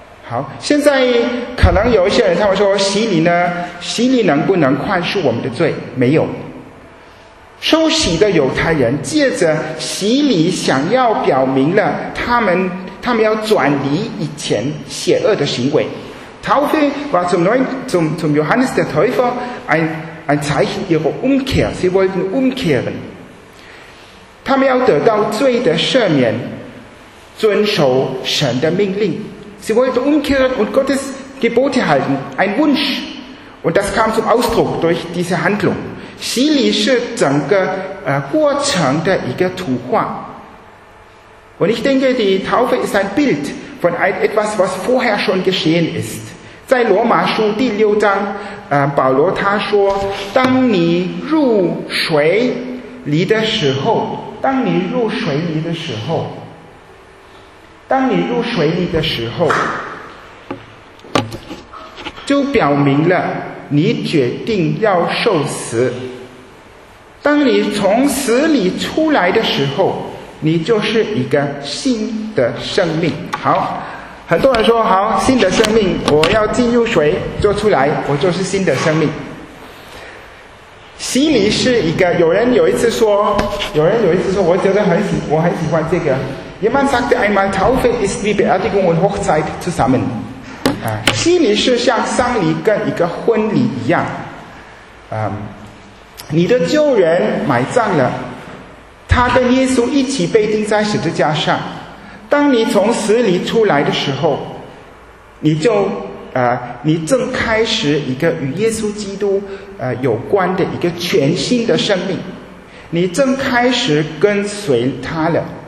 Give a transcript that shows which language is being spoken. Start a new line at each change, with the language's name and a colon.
Chinese: 好，现在可能有一些人他们说洗礼呢，洗礼能不能宽恕我们的罪？没有。受洗的犹太人借着洗礼想要表明了他们要转离以前邪恶的行为。
German: Taufe war zum Johannes der Täufer ein Zeichen ihrer Umkehr. Sie wollten umkehren.
Chinese: 他们要得到罪的赦免，遵守神的命令。
German: Sie wollten umkehren und Gottes Gebote halten, ein Wunsch. Und das kam zum Ausdruck durch diese Handlung.
Chinese: 洗礼是整个过程的一个图画。
German: Und ich denke, die Taufe ist ein Bild von etwas, was vorher schon geschehen ist.
Chinese: 在罗马书第六章保罗他说，当你入水泥的时候，当你入水里的时候，当你入水里的时候，就表明了你决定要受死。当你从死里出来的时候，你就是一个新的生命。好，很多人说好，新的生命，我要进入水做出来，我就是新的生命。洗礼是一个，有人有一次说，我很喜欢这个。
German: Jemand sagte einmal, Taufe ist wie Beerdigung und Hochzeit zusammen.
Chinese: 洗礼是像丧礼跟一个婚礼一样。你的旧人埋葬了，他跟耶稣一起被钉在十字架上。当你从死里出来的时候，你就你正开始一个与耶稣基督有关的一个全新的生命，你正开始跟随他了。